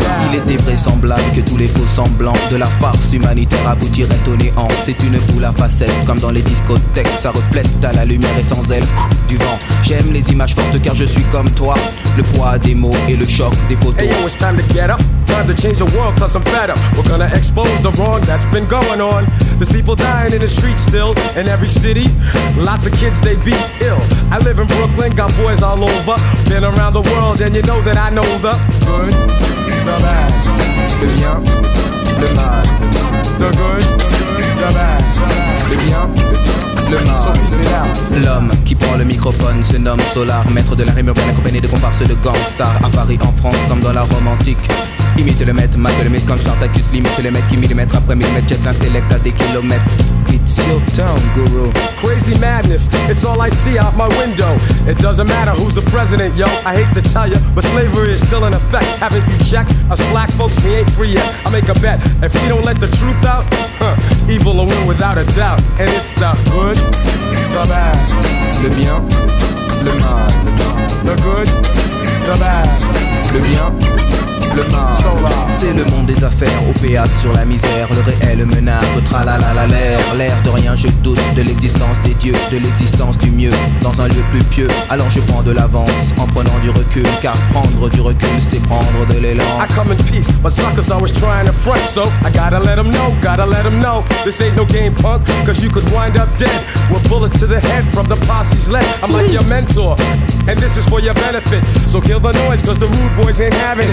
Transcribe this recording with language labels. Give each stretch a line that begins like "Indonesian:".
French: Il était vraisemblable que tous les faux semblants de la farce humanitaire aboutiraient au néant. C'est une boule à facettes, comme dans les discothèques. Ça reflète à la lumière et sans elle, du vent. J'aime les images fortes car je suis comme toi. Le poids des mots et le choc des photos.
English: Hey yo, it's time to get up. Time to change the world cause I'm fed up. We're gonna expose the wrong that's been going on. There's people dying in the streets still. In every city, lots of kids they be ill. I live in Brooklyn, got boys all over. Been around the world and you know that I know the good.
French: Le bien, le mal.
English: The good, the bad.
French: Le bien, le mal. L'homme qui prend le microphone se nomme Solar. Maître de la rime urbaine accompagné de comparses de gangstar. À Paris, en France, comme dans la Rome antique. Imite le maître, mate le maître comme Spartacus. Limite le maître qui millimètre après millimètre jette l'intellect à des kilomètres.
English: It's your turn, guru. Crazy madness, it's all I see out my window. It doesn't matter who's the president, yo. I hate to tell you, but slavery is still in effect. Haven't you checked? Us black folks, we ain't free yet. I make a bet, if we don't let the truth out, evil will win without a doubt. And it's the good, the bad.
French: Le bien, le mal.
English: The good, the bad.
French: Le bien, le mal. C'est le monde des affaires, OPA sur la misère. Le réel menace, tralala l'air. L'air de rien, je doute de l'existence des dieux. De l'existence du mieux, dans un lieu plus pieux. Alors je prends de l'avance, en prenant du recul. Car prendre du recul, c'est prendre de l'élan.
English: I come in peace, but suckers always trying to front. So I gotta let them know, gotta let them know. This ain't no game punk, cause you could wind up dead. With bullets to the head from the posse's leg. I'm like your mentor, and this is for your benefit. So kill the noise, cause the rude boys ain't having it.